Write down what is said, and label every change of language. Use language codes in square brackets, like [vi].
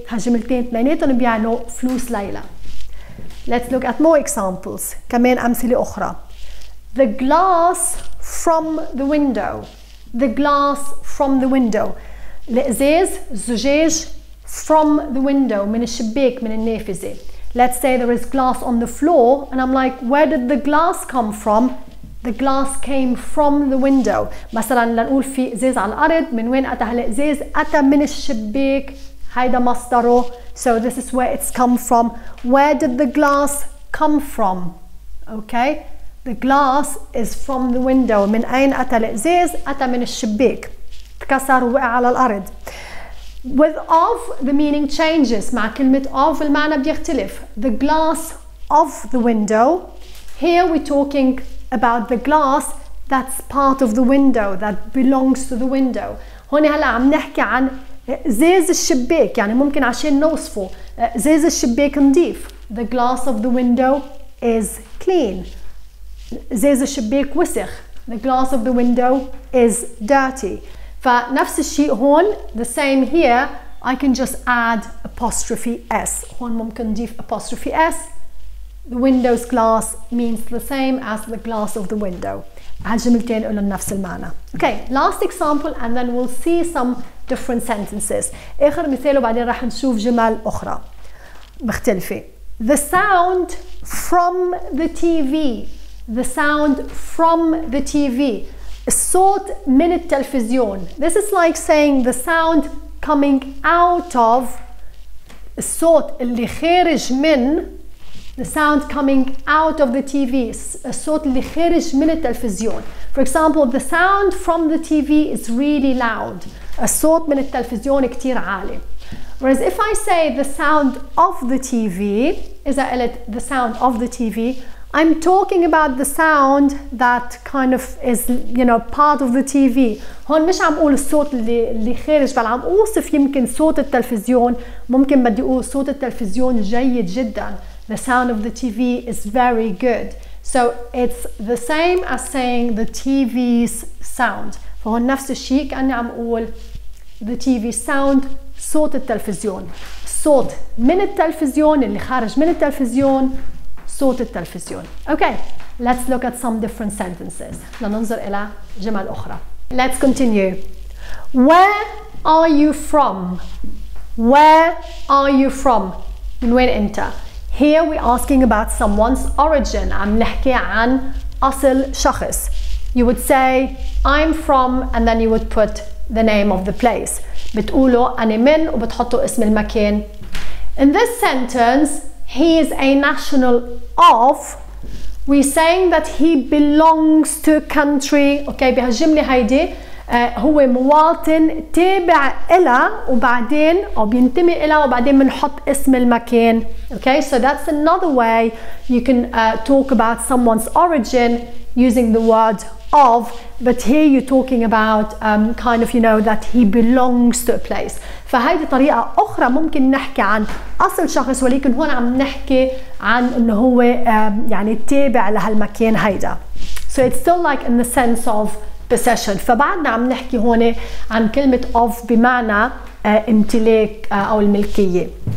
[ar] هجملتين اثنيناتهم بيعنوا فلوس ليلى. [en] Let's look at more examples. [ar] كمان أمثلة أخرى. [en] The glass from the window. The glass from the window. [ar] الإزاز زجاج [en] from the window [ar] من الشباك من النافذة. [en] Let's say there is glass on the floor and I'm like where did the glass come from? The glass came from the window. [ar] مثلا لنقول في إزاز على الأرض من وين أتى هالإزاز؟ أتى من الشباك. هيدا مصدره. [en] So this is where it's come from. Where did the glass come from? Okay. The glass is from the window. [ar] من أين أتى الإزاز؟ أتى من الشباك. كسر ووقع على الأرض. [en] With of the meaning changes. [ar] مع كلمة of المعنى بيختلف. [en] The glass of the window. Here we're talking about the glass that's part of the window, that belongs to the window. [ar] هون هلا عم نحكي عن زيز الشباك. يعني ممكن عشان نوصفه زيز الشباك نظيف. [en] The glass of the window is clean. [ar] زيز الشباك وسخ. [en] The glass of the window is dirty. [ar] فنفس الشيء هون, [en] the same here, I can just add apostrophe S. [ar] هون ممكن نضيف apostrophe S. [en] The window's glass means the same as the glass of the window. [ar] هالجملتين قلن نفس المعنى. [en] Okay, last example and then we'll see some different sentences. [ar] آخر مثال وبعدين راح نشوف جمل أخرى مختلفة. [en] The sound from the TV. The sound from the TV. [ar] الصوت من التلفزيون. [en] This is like saying the sound coming out of. [ar] الصوت اللي خارج من. [en] The sound coming out of the TV. [ar] الصوت اللي خارج من التلفزيون. [en] For example, the sound from the TV is really loud. [ar] الصوت من التلفزيون كتير عالي. [en] Whereas if I say the sound of the TV, [ar] إذا قلت [en] the sound of the TV, I'm talking about the sound that kind of is, you know, part of the TV. [ar] هون مش عم قول الصوت اللي خارج, بل عم أوصف يمكن صوت التلفزيون. ممكن بدي أقول صوت التلفزيون جيد جدا. [en] The sound of the TV is very good. So it's the same as saying the TV's sound. [ar] فهون نفس الشيء كأني عم قول [en] the TV sound, [ar] صوت التلفزيون. صوت من التلفزيون اللي خارج من التلفزيون. صوت التلفزيون. [en] Okay, let's look at some different sentences. [ar] لننظر إلى جمل أخرى. [en] Let's continue. Where are you from? Where are you from? [ar] من وين أنت؟ [en] Here we're asking about someone's origin. [ar] عم نحكي عن أصل شخص. [en] You would say, I'm from, and then you would put the name of the place. [ar] بتقولوا أنا من وبتحطوا اسم المكان. [en] In this sentence, he is a national of. We're saying that he belongs to a country. [ar] Okay, بهالجملة هيدي هو مواطن تابع إلى وبعدين أو بينتمي إلى وبعدين منحط اسم المكان. [en] Okay, so that's another way you can talk about someone's origin using the word of. But here you're talking about kind of, you know, that he belongs to a place. [ar] فهيدي طريقة أخرى ممكن نحكي عن أصل شخص ولكن هون عم نحكي عن إنه هو يعني تابع لهالمكان هيدا. [en] So it's still like in the sense of possession. [ar] فبعدنا عم نحكي هون عن كلمة of بمعنى امتلاك أو الملكية.